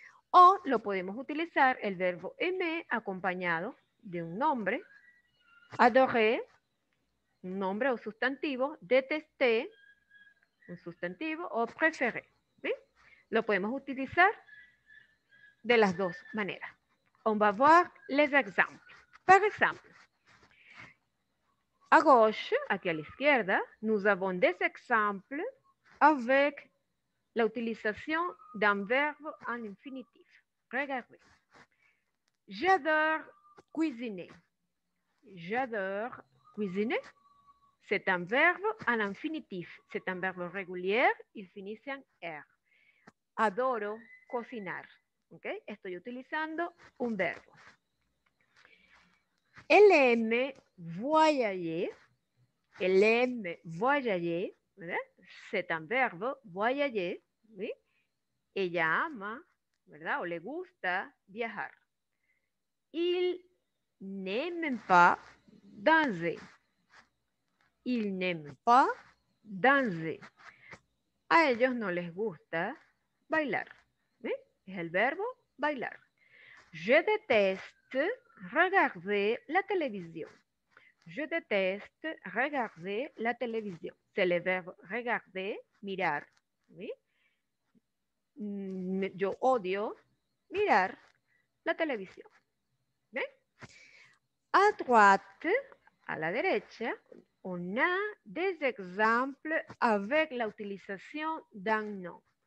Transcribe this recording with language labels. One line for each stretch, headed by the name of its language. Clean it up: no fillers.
Spanish: O lo podemos utilizar el verbo aimer acompañado de un nombre, adorer, un nombre o sustantivo, détester, un sustantivo, o préférer, ¿sí? Lo podemos utilizar de las dos maneras.
French: On va voir les exemples. Par exemple, à gauche,
Spanish: aquí a la izquierda,
French: nous avons des exemples avec la utilisation d'un verbe en infinitif. Regardez. J'adore cuisiner. J'adore cuisiner. C'est un verbe en infinitif. C'est un verbe régulier. Il finit en er.
Spanish: Adoro cocinar.
French: ¿Okay?
Spanish: Estoy utilizando un verbo.
French: Él aime voyager. Él aime voyager. ¿Verdad? C'est un
Spanish: verbo voyager. ¿Sí? Ella ama, ¿verdad? O le gusta viajar.
French: Il n'aime pas danser. Il n'aime pas danser.
Spanish: A ellos no les gusta bailar. ¿Sí? Es el verbo bailar.
French: Je déteste regarder la télévision. Je déteste regarder la télévision. C'est le verbe regarder, mirar.
Spanish: ¿Sí? Yo odio mirar la televisión.
French: À droite,
Spanish: a la derecha,
French: on a des exemples avec la utilisation d'un nom.